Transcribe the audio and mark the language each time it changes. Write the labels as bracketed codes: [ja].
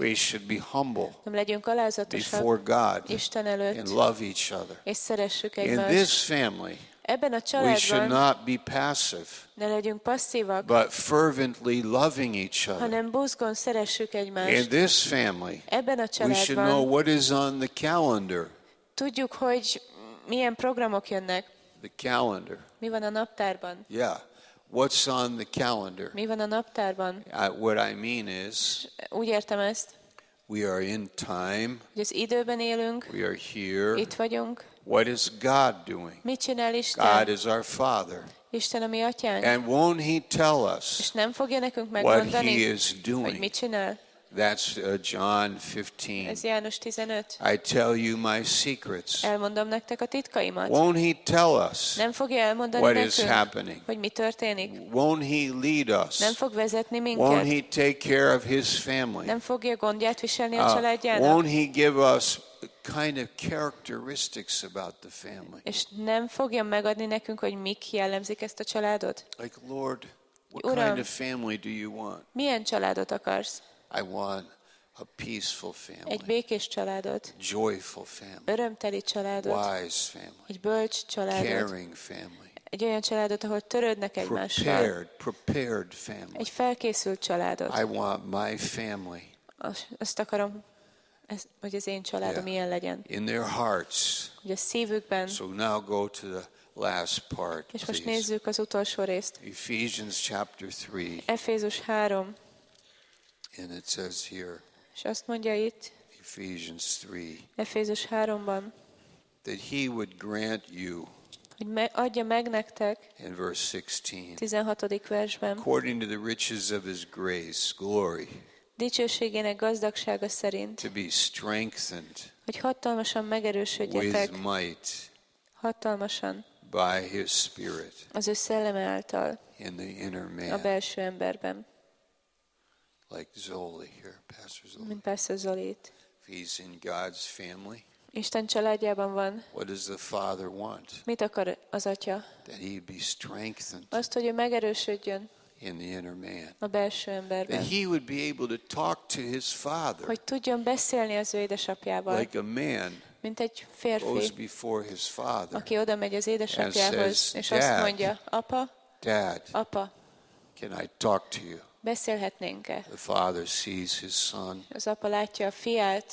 [en] We should be humble. [hu] Nem legyünk alázatosak. [en] Before God. [hu] Isten előtt. [en] And love each other. [hu] És szeressük egymást. [en] In this family. [hu] Ebben a családban. [en] We should not be passive. [hu] Ne legyünk passzívak. [en] But fervently loving each other. [hu] Hanem buzgón szeressük egymást. [en] In this family. [hu] Ebben a családban. [en] We should know what is on the calendar. [hu] Tudjuk, hogy milyen programok jönnek. [en] The calendar. [hu] Mi van a naptárban? [en] Yeah. What's on the calendar? [hu] Mi van a naptárban? [en] What I mean is, [hu] úgy értem ezt. [en] We are in time. [hu] Az időben élünk. [en] We are here. [hu] Itt vagyunk. [en] What is God doing? [hu] Mit csinál Isten? [en] God is our Father. [hu] Isten a mi atyánk. [en] And won't He tell us? [hu] És nem fogja nekünk megmondani, [en] what He is doing? [hu] Hogy mit csinál? [en] That's John 15. [hu] Ez János 15. [en] I tell you my secrets. [hu] Elmondom nektek a titkaimat. [en] Won't He tell us? [hu] Nem fogja elmondani [en] what [hu] nekünk, [en] is happening? [hu] Hogy mi történik? [en] Won't He lead us? [hu] Nem fog vezetni minket? [en] Won't He take care of His family? [hu] Nem fogja gondját viselni a családjának? [en] Won't He give us kind of characteristics about the family? [hu] És nem fogja megadni nekünk, hogy mik jellemzik ezt a családot? [en] Like, Lord, what [hu] Uram, [en] kind of family do you want? [hu] Milyen családot akarsz? [en] I want a peaceful family. [hu] Egy békés családot. [en] Joyful family. [hu] Örömteli családot. [en] Wise family. [hu] Egy bölcs családot. [en] Caring family. [hu] Egy olyan családot, ahol törődnek egymással. [en] Prepared family. [hu] Egy felkészült családot. [en] I want my family. [hu] Azt akarom, hogy az én családom ilyen legyen. [en] In their hearts. [hu] Hogy a szívükben. [en] So now go to the last part. [hu] És most nézzük az utolsó részt. [en] Ephesians chapter 3. [hu] Efézus 3. [en] And it says here, [hu] és azt mondja itt, [en] Ephesians 3, [hu] Efézus 3-ban, [en] that He would grant you, [hu] hogy adja meg nektek, [en] in verse 16, [hu] 16. versben, [en] according to the riches of His grace, glory, [hu] dicsőségének gazdagsága szerint, [en] to be strengthened, [hu] hogy hatalmasan megerősödjetek, [en] with might, [hu] hatalmasan, [en] by His Spirit, [hu] az ő szelleme által, [en] in the inner man, [hu] a belső emberben. [en] Like Zoli here, Pastor Zoli. [hu] Mint Pastor Zoli. [en] He's in God's family. [hu] Isten családjában van. [en] What does the Father want? [hu] Mit akar az Atya? [en] That he would be strengthened. [hu] Azt, hogy ő megerősödjön. [en] In the inner man. [hu] A belső emberben. [en] That he would be able to talk to his Father. [hu] Hogy tudjon beszélni az ő édesapjával. [en] Like a man. [hu] Mint egy férfi. [en] Goes before his Father. [hu] Aki oda megy az édesapjához, és azt mondja, Apa. [en] Dad. [hu] Apa. [en] Can I talk to you? [hu] Beszélhetnénk-e? [en] The Father sees His Son. [hu] Az Apa látja a fiát.